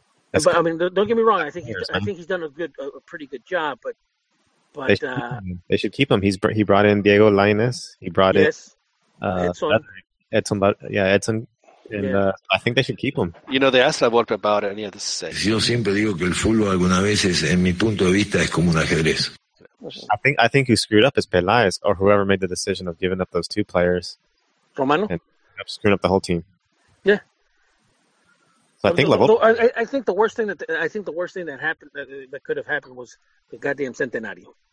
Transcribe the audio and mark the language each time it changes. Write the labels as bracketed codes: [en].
[en] That's but cool. I mean, don't get me wrong. I think he's done a pretty good job. But they should keep him. He brought in Diego Lainez. He brought Edson. I think they should keep him. You know, they asked La Volpe about it, and he had to say. [es] Yo siempre digo que el fútbol alguna veces, en mi punto de vista, es como un ajedrez. [en] I think who screwed up is Peláez or whoever made the decision of giving up those two players. Romano. Screwing up the whole team. Yeah. So I think the worst thing that could have happened was the goddamn Centenario.